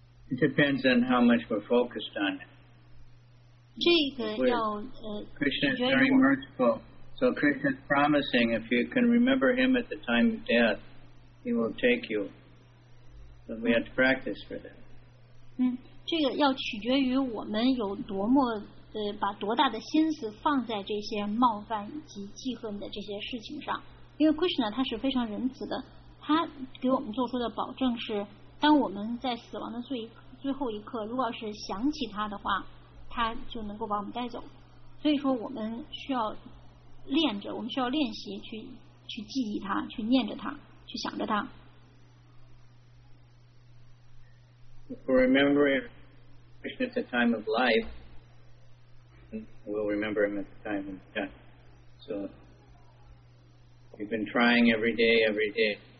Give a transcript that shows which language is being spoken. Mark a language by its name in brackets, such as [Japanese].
[English] It depends on how much we're focused on it. [Chinese] 这个要 [English] Krishna is very merciful. So Krishna is promising if you can remember him at the time of death, he will take you. But we have to practice for that. [Chinese] 这个要取决于我们有多么把多大的心思放在这些冒犯及记恨的这些事情上。因为 Krishna 他是非常仁慈的，他给我们做出的保证是，当我们在死亡的最后一刻，如果要是想起他的话，他就能够把我们带走。所以说我们需要练着，我们需要练习去记忆它，去念着它，去想着它。 [English] Remember Krishna at the time of life, we'll remember him at the time of death. So we've been trying every day.